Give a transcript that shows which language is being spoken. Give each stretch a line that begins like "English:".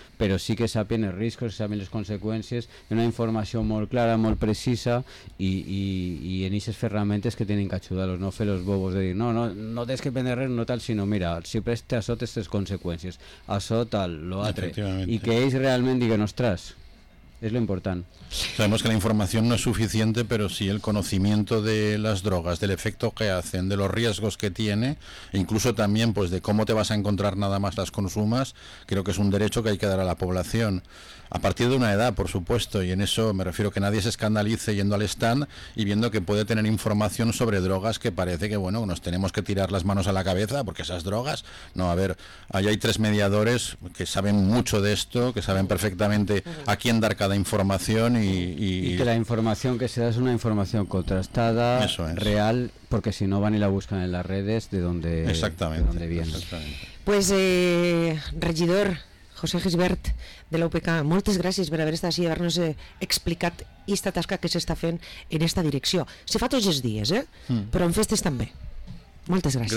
Catalan: Però sí que sapien els riscos, sapien les conseqüències, una informació molt clara, molt precisa, i en aquestes ferramentes que tenen que ajudar-los, no fer els bobos de dir, no tens que prendre res, no tal, sinó mira, si preste a sota aquestes conseqüències, a sota l'altre, i que ells realment diguen, ostres, és lo important.
Spanish: Sabemos que la información no es suficiente, pero sí el conocimiento de las drogas, del efecto que hacen, de los riesgos que tiene, incluso también pues de cómo te vas a encontrar nada más las consumas, creo que es un derecho que hay que dar a la población. A partir de una edad, por supuesto, y en eso me refiero que nadie se escandalice yendo al stand y viendo que puede tener información sobre drogas que parece que, bueno, nos tenemos que tirar las manos a la cabeza porque esas drogas... No, a ver, ahí hay tres mediadores que saben mucho de esto, que saben perfectamente a quién dar cada información y que la información que se da es una información contrastada, eso es. Real, porque si no van y la buscan en las redes de donde, exactamente, de donde vienen. Exactamente.
Catalan: Pues, regidor José Gisbert, de l'UPK, moltes gràcies per haver estat així i haver-nos explicat aquesta tasca que s'està fent en aquesta direcció. Se fa tots els dies, però en festes també. Moltes gràcies.